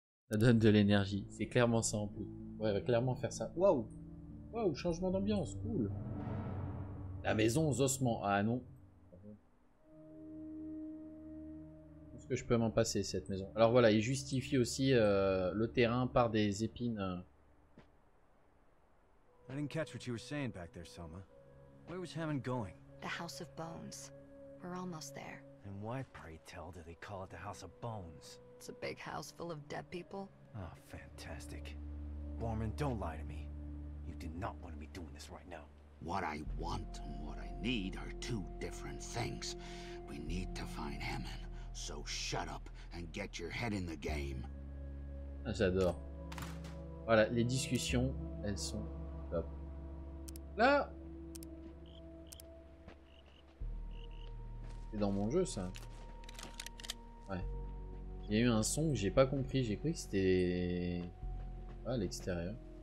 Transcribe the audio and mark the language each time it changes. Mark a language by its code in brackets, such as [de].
[fr] Ça donne de l'énergie, c'est clairement ça en plus. Ouais, clairement faire ça. Waouh! Waouh, changement d'ambiance, cool! La maison aux ossements, ah non. Est-ce que je peux m'en passer cette maison? Alors voilà, il justifie aussi le terrain par des épines. [en] I didn't catch what you were saying back there, Selma. Where was Hammond going? The House of Bones. We're almost there. And why, pray tell, do they call it the House of Bones? It's a big house full of dead people. Oh, fantastic. Borman, don't lie to me. You do not want to be doing this right now. What I want and what I need are two different things. We need to find Hammond. So shut up and get your head in the game. [fr] Ah, j'adore. Voilà, les discussions, elles sont top. Là! C'est dans mon jeu, ça. Ouais. Il y a eu un son que j'ai pas compris. J'ai cru que c'était... Ah, l'extérieur.